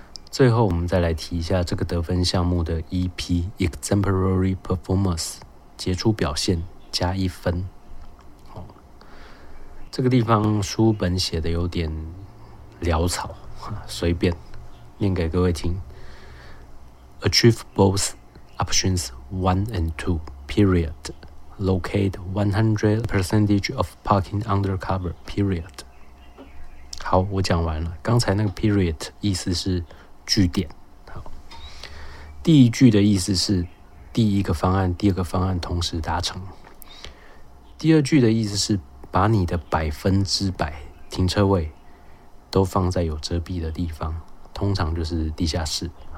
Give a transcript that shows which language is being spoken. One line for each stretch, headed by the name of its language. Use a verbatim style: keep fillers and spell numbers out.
Chinese: 最后我们再来提一下这个得分项目的 E P Exemplary Performance 杰出表现加一分、哦、这个地方书本写的有点潦草，随便念给各位听。
English: Achieve both options one and two period Locate one hundred percent of parking under cover period。
Chinese: 好，我讲完了。刚才那个 period 意思是句点。好，第一句的意思是第一个方案、第二个方案同时达成。第二句的意思是把你的百分之百停车位都放在有遮蔽的地方，通常就是地下室。